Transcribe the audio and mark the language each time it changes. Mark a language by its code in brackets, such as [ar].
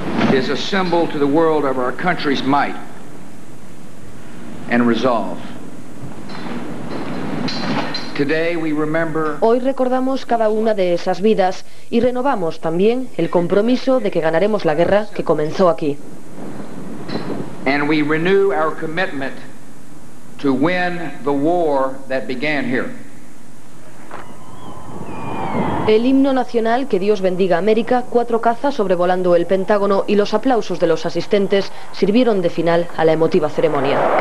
[en] Is a symbol to the world of our country's might and resolve. Today we remember. [es] Hoy recordamos cada una de esas vidas y renovamos también el compromiso de que ganaremos la guerra que comenzó aquí. [en] And we renew our commitment to win the war that began here. [es] El himno nacional, Que Dios bendiga América, cuatro cazas sobrevolando el Pentágono y los aplausos de los asistentes sirvieron de final a la emotiva ceremonia.